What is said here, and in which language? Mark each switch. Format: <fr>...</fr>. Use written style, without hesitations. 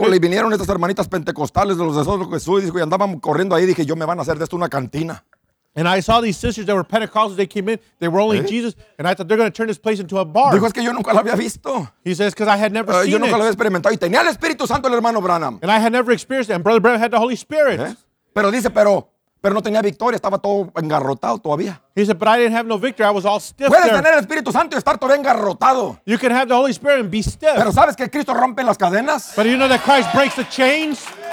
<es>Híjole, vinieron estas hermanitas pentecostales de los de Jesús y andaban corriendo ahí. Dije, yo me van a hacer de esto una cantina.</es> <en>And I saw these sisters that were Pentecostals. They came in. They were only Jesus. And I thought they're going to turn this place into a bar.</en> <es>Dijo, es que yo nunca la había visto.</es> <en>He says, because I had never seen it.</en> <es>Yo nunca lo había experimentado. Y tenía el Espíritu Santo el hermano Branham.</es> <en>And I had never experienced it. And Brother Branham had the Holy Spirit.</en> <es>Pero dice, pero no tenía victoria, estaba todo engarrotado todavía.</es> <en>He said, but I didn't have no victory, I was all stiff.</en> <es>Puedes</es> <en>there.</en> <es>Tener el Espíritu Santo y estar todavía engarrotado.</es> <en>You can have the Holy Spirit and be stiff.</en> <es>Pero ¿sabes que Cristo rompe las cadenas?</es> <en>But you know that Christ breaks the chains?</en>